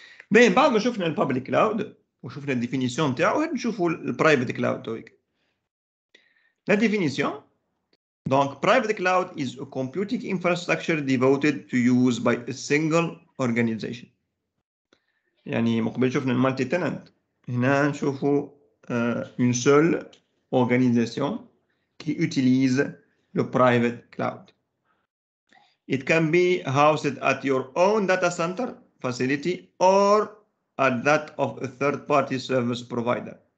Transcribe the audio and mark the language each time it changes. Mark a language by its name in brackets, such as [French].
[Arabic] مي بعد ما شفنا البابليك كلاود وشفنا الديفينيسيون نتاعو نشوفوا البرايفت كلاود تويك لا ديفينيسيون [English] Donc, private cloud is a computing infrastructure devoted to use by a single organization. [Arabic] يعني مقبل شوفنا multi-tenant. هنا نشوفو [French] une seule organisation qui utilise le private cloud. [English] It can be housed at your own data center facility or at that of a third-party service provider.